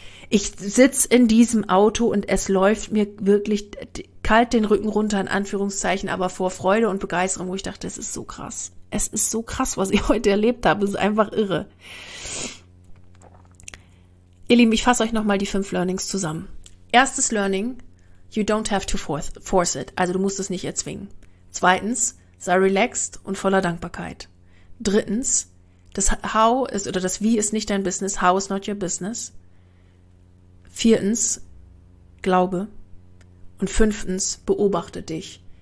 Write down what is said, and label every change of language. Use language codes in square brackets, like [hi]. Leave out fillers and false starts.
[de] Ich sitze in diesem Auto und es läuft mir wirklich kalt den Rücken runter, in Anführungszeichen, aber vor Freude und Begeisterung, wo ich dachte, es ist so krass. Es ist so krass, was ich heute erlebt habe. Es ist einfach irre. Ihr Lieben, ich fasse euch nochmal die 5 Learnings zusammen. Erstes Learning, [en] you don't have to force it. [de] Also du musst es nicht erzwingen. Zweitens, sei relaxed und voller Dankbarkeit. Drittens, das Wie ist nicht dein Business, [en] How is not your business. [de] Viertens, glaube. Und fünftens, beobachte dich.